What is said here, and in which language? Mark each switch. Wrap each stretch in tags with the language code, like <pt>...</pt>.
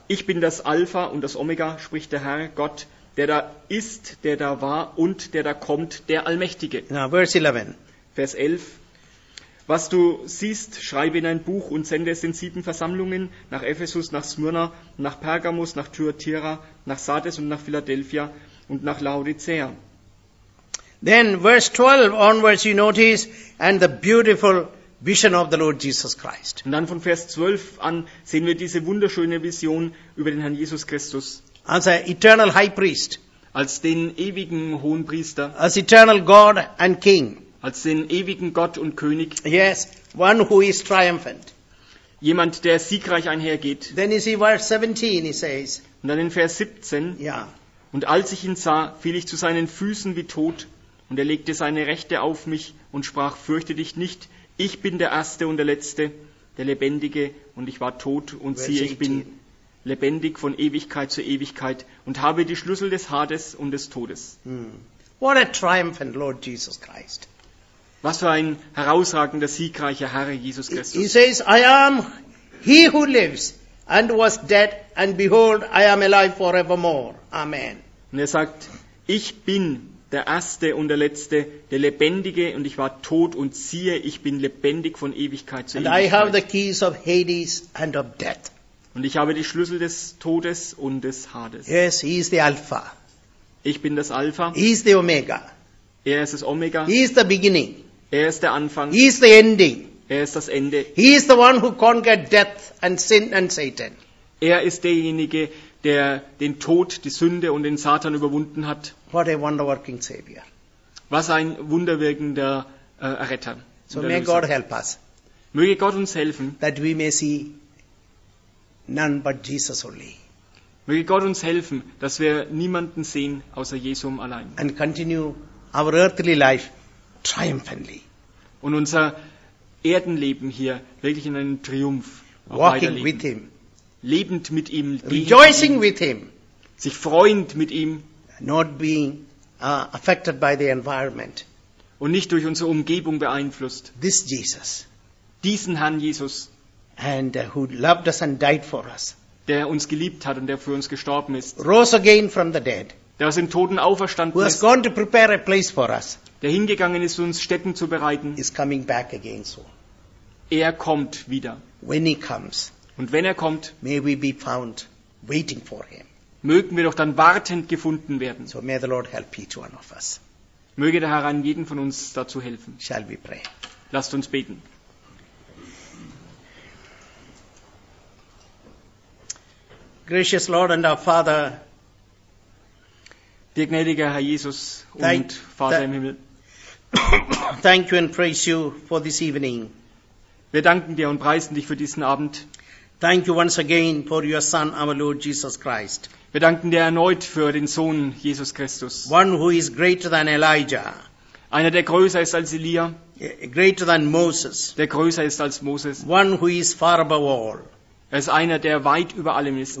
<de>Ich bin das Alpha und das Omega, spricht der Herr Gott, der da ist, der da war und der da kommt, der Allmächtige.</de> <en>Now, verse 11.</en> <de>Vers 11. Was du siehst, schreibe in ein Buch und sende es in 7 Versammlungen, nach Ephesus, nach Smyrna, nach Pergamos, nach Thyatira, nach Sardes und nach Philadelphia und nach Laodicea.</de> <en>Then verse 12 onwards you notice and the beautiful vision of the Lord Jesus Christ.</en> <de>Und dann von Vers 12 an sehen wir diese wunderschöne Vision über den Herrn Jesus Christus.</de> <en>As an eternal high priest.</en> <de>Als den ewigen hohen Priester.</de> <en>As eternal God and King.</en> <de>Als den ewigen Gott und König.</de> <en>Yes, one who is triumphant.</en> <de>Jemand, der siegreich einhergeht.</de> <en>Then you see verse 17, he says.</en> <de>Und dann in Vers 17. Ja. Und als ich ihn sah, fiel ich zu seinen Füßen wie tot. Und er legte seine Rechte auf mich und sprach, fürchte dich nicht. Ich bin der Erste und der Letzte, der Lebendige. Und ich war tot und verse siehe, ich 18. bin lebendig von Ewigkeit zu Ewigkeit und habe die Schlüssel des Hades und des Todes.</de> <en>What a triumphant Lord Jesus Christ.</en> <de>Was für ein herausragender, siegreicher Herr Jesus Christus.</de> <en>He says, I am he who lives and was dead and behold, I am alive forevermore. Amen.</en> <de>Und er sagt, ich bin der Erste und der Letzte, der Lebendige und ich war tot und siehe, ich bin lebendig von Ewigkeit zu Ewigkeit.</de> <en>And I have the keys of Hades and of death.</en> <de>Und ich habe die Schlüssel des Todes und des Hades.</de> <en>Yes, he is the Alpha.</en> <de>Ich bin das Alpha.</de> <en>He is the Omega.</en> <de>Er ist das Omega.</de> <en>He is the beginning.</en> <de>Er ist der Anfang.</de> <en>He is the ending.</en> <de>Er ist das Ende.</de> <en>He is the one who conquered death and sin and Satan.</en> <de>Er ist derjenige, der den Tod, die Sünde und den Satan überwunden hat.</de> <en>What a wonderworking Savior.</en> <de>Was ein wunderwirkender Retter.</de> <en>So may God help us.</en> <de>Möge Gott uns helfen.</de> <en>That we may see none but Jesus only.</en> <de>Möge Gott uns helfen, dass wir niemanden sehen außer Jesus allein.</de> <en>And continue our earthly life triumphantly.</en> <de>Und unser Erdenleben hier wirklich in einem Triumph.</de> <en>Walking with him.</en> <de>Lebend mit ihm.</de> <en>Rejoicing with him.</en> <de>Sich freuend mit ihm.</de> <en>Not being affected by the environment.</en> <de>Und nicht durch unsere Umgebung beeinflusst.</de> <en>This Jesus.</en> <de>Diesen Herrn Jesus.</de> <en>And who loved us and died for us.</en> <de>Der uns geliebt hat und der für uns gestorben ist.</de> <en>Rose again from the dead.</en> <de>Der aus den Toten auferstanden</de> <en>ist. Who has gone to prepare a place for us.</en> <de>Der hingegangen ist, uns Stätten zu bereiten.</de> <en>Is coming back again soon.</en> <de>Er kommt wieder.</de> <en>When he comes.</en> <de>Und wenn er kommt.</de> <en>May we be found waiting for him.</en> <de>Mögen wir doch dann wartend gefunden werden.</de> <en>So may the Lord help each one of us.</en> <de>Möge der Herr an jeden von uns dazu helfen.</de> <en>Shall we pray.</en> <de>Lasst uns beten.</de> <en>Gracious Lord and our Father,</en> <de>dear gnädiger Herr Jesus und Vater im Himmel,</de> <en>thank you and praise you for this evening.</en> <de>Wir danken dir und preisen dich für diesen Abend.</de> <en>Thank you once again for your Son, our Lord Jesus Christ.</en> <de>Wir danken dir erneut für den Sohn Jesus Christus.</de> <en>One who is greater than Elijah.</en> <de>Einer, der größer ist als Elia.</de> <en>Greater than Moses.</en> <de>Der größer ist als Moses.</de> <en>One who is far above all.</en> <de>Er ist einer, der weit über allem ist.</de>